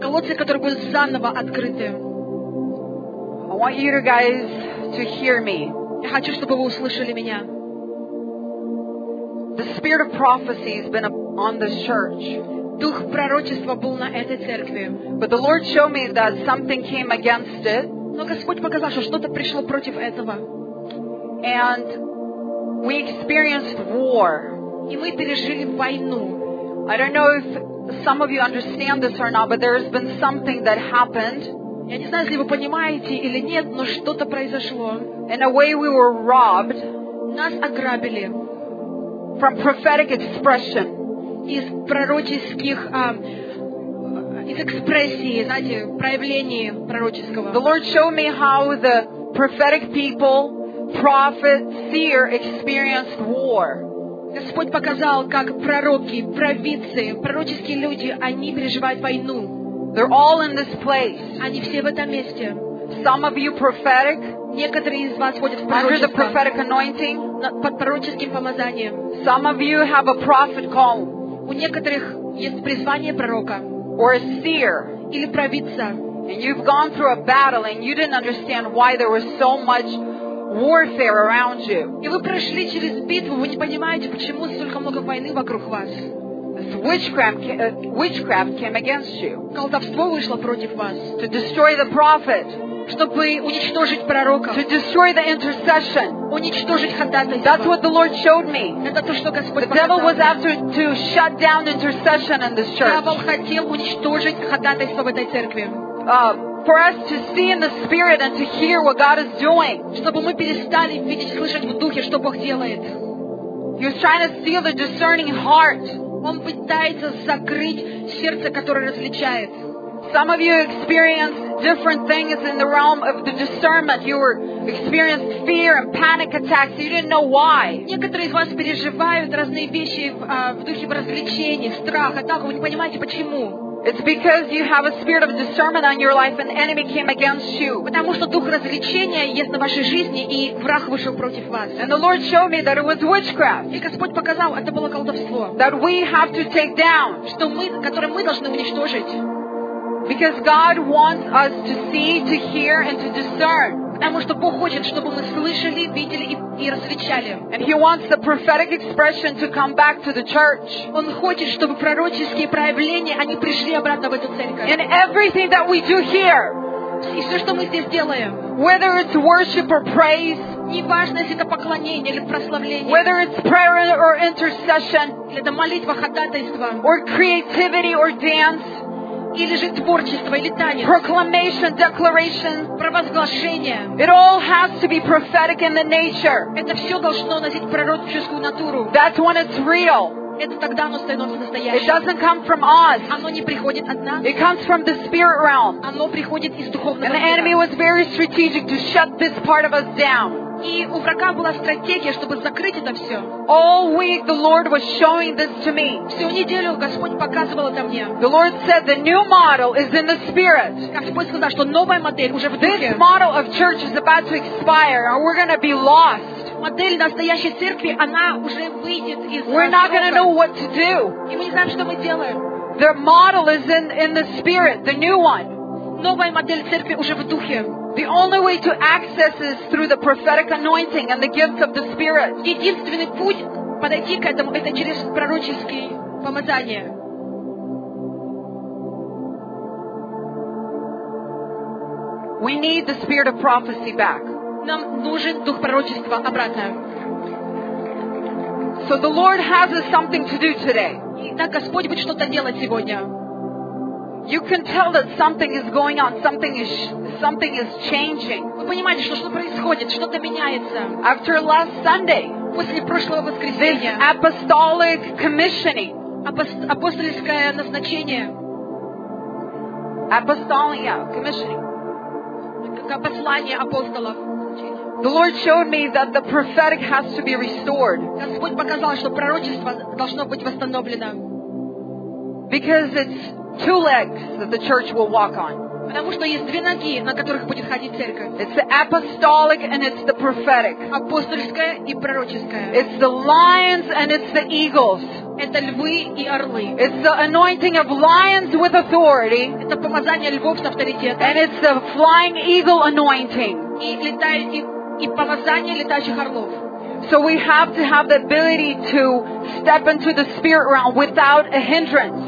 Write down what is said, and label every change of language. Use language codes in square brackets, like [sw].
[ru] Колодцы, которые будут заново открыты. [en] I want you guys to hear me. [ru] Я хочу, чтобы вы услышали меня. [en] The spirit of prophecy has been on this church. [ru] Дух пророчества был на этой церкви. [en] But the Lord showed me that something came against it. [ru] Но Господь показал, что что-то пришло против этого. [en] And we experienced war. [ru] И мы пережили войну. [en] I don't know if some of you understand this or not, but there has been something that happened. [ru] Я не знаю, если вы понимаете или нет, но что-то произошло. [en] In a way we were robbed. [ru] Нас ограбили. [en] From prophetic expression. [ru] Из пророческих, из экспрессии, знаете, проявлений пророческого. [en] The Lord showed me how the prophetic people, prophets, seer experienced war. [ru] Господь показал, как пророки, провидцы, пророческие люди, они переживают войну. [en] They're all in this place. [ru] Они все в этом месте. [en] Some of you prophetic. [ru] Некоторые из вас ходят в пророчество. [en] Under the prophetic anointing. [ru] Под пророческим помазанием. [en] Some of you have a prophet call. [ru] У некоторых есть призвание пророка. [en] Or a seer. [ru] Или провидца. [en] And you've gone through a battle and you didn't understand why there was so much warfare around you. [ru] И вы прошли через битву, вы не понимаете, почему столько много войны вокруг вас. [en] Witchcraft came against you. [ru] Колдовство вышло против вас. [en] To destroy the prophet. [ru] Чтобы уничтожить пророка. [en] To destroy the intercession. [ru] Уничтожить ходатайство. [en] That's what the Lord showed me. [ru] Это то, что Господь показал. [en] The devil was after to shut down intercession in this church. [ru] Дьявол хотел уничтожить ходатайство в этой церкви. [en] For us to see in the spirit and to hear what God is doing. [ru] Чтобы мы перестали видеть, слышать в духе, что Бог делает. [en] He was trying to steal the discerning heart. [ru] Он пытается закрыть сердце, которое различает. [en] Some of you experienced different things in the realm of the discernment. You were experienced fear and panic attacks. You didn't know why. [ru] Некоторые из вас переживают разные вещи в духе развлечения, страха, так вы не понимаете почему. [en] It's because you have a spirit of discernment on your life, and the enemy came against you. [ru] Потому что дух развлечения есть на вашей жизни, и враг вышел против вас. [en] And the Lord showed me that it was witchcraft. [ru] И Господь показал, это было колдовство. [en] That we have to take down. [ru] Что мы, которое мы должны уничтожить. [en] Because God wants us to see, to hear, and to discern. [ru] Потому что Бог хочет, чтобы мы слышали, видели и различали. [en] And He wants the prophetic expression to come back to the church. [ru] Он хочет, чтобы пророческие проявления они пришли обратно в эту церковь. [en] In everything that we do here. [ru] И все, что мы здесь делаем. [en] Whether it's worship or praise. [ru] Неважно, если это поклонение или прославление. [en] Whether it's prayer or intercession. [ru] Или это молитва, ходатайство. [en] Or creativity or dance. [ru] или же творчество, или танец. [en] Proclamation, declaration. [ru] Провозглашение. [en] It all has to be prophetic in the nature. [ru] Это все должно носить пророческую натуру. [en] That's when it's real. [ru] Это тогда оно становится настоящим. [en] It doesn't come from us. [ru] Оно не приходит от нас. [en] It comes from the spirit realm. [ru] Оно приходит из духовного мира. [en] And the enemy was very strategic to shut this part of us down. [ru] И у врага была стратегия, чтобы закрыть это все. [en] All week the Lord was showing this to me. [ru] Всю неделю Господь показывал это мне. [en] The Lord said the new model is in the spirit. [ru] Господь сказал, что новая модель уже в духе. [en] This model of church is about to expire, or we're going to be lost. [ru] Модель настоящей церкви, она уже выйдет из строя. [en] We're not going to know what to do. [ru] И мы не знаем, что мы делаем. [en] The model is in the spirit, the new one. [ru] Новая модель церкви уже в духе. [en] The only way to access is through the prophetic anointing and the gifts of the Spirit. [ru] Единственный путь подойти к этому это через пророческие помазания. [en] We need the spirit of prophecy back. [ru] Нам нужен дух пророчества обратно. [en] So the Lord has us something to do today. [ru] Итак, Господь будет что-то делать сегодня. [en] You can tell that something is going on, something is changing. [ru] Вы понимаете, что происходит, что-то меняется. [en] After last Sunday, [ru] после прошлого воскресенья, [en] this apostolic commissioning, [ru] апостольское назначение, [en] apostolia commissioning, [ru] как послание апостолов. [en] The Lord showed me that the prophetic has to be restored. [ru] Господь показал, что пророчество должно быть восстановлено. [en] Because it's two legs that the church will walk on. [ru] Потому что есть две ноги, на которых будет ходить церковь. [en] It's the apostolic and it's the prophetic. [ru] Апостольское и пророческое. [en] It's the lions and it's the eagles. [ru] Это львы и орлы. [en] It's the anointing of lions with authority. [ru] Это помазание львов с авторитетом. [en] And it's the flying eagle anointing. [ru] И помазание летающих орлов. [en] So we have to have the ability to step into the spirit realm without a hindrance.